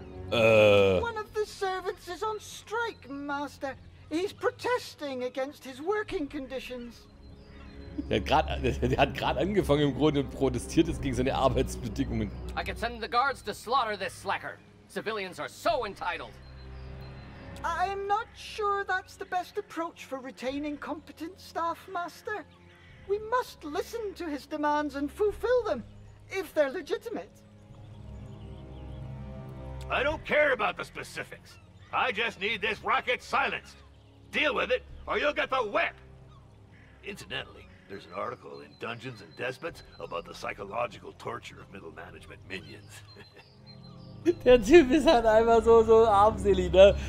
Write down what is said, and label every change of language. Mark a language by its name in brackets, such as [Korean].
[English] One of the servants is on strike, Master. He's protesting against his working conditions. [German] Der hat gerade angefangen im Grunde und protestiert jetzt gegen seine Arbeitsbedingungen. [English] I can send the guards to slaughter this slacker. Civilians are so entitled. I'm not sure that's the best approach for retaining competent staff, Master. We must listen to his demands and fulfill them, if they're legitimate. I don't care about the specifics. I just need this rocket silenced. Deal with it, or you'll get the whip! Incidentally, there's an article in Dungeons and Despots about the psychological torture of middle management minions. [German] Der Typ ist halt einfach so armselig, ne?